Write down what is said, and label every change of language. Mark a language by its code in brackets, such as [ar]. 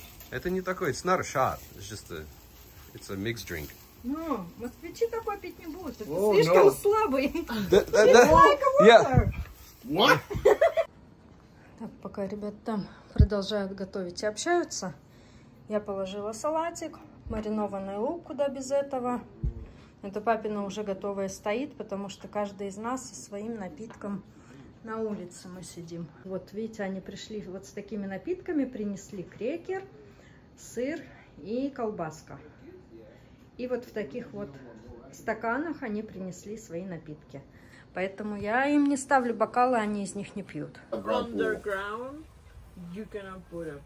[ru] Это не такой, [en] it's not a shot. It's just a, it's a mixed drink. [ru] Ну, москвичи такой пить не будут. Это слишком слабый. Так, пока ребята там продолжают готовить и общаются, я положила салатик, маринованный лук, куда без этого. Это папина уже готовая стоит, потому что каждый из нас со своим напитком на улице мы сидим. Вот, видите, они пришли вот с такими напитками, принесли крекер, сыр и колбаска. И вот в таких вот стаканах они принесли свои напитки. Поэтому я им не ставлю бокалы, они из них не пьют. [en] Underground, you cannot put up.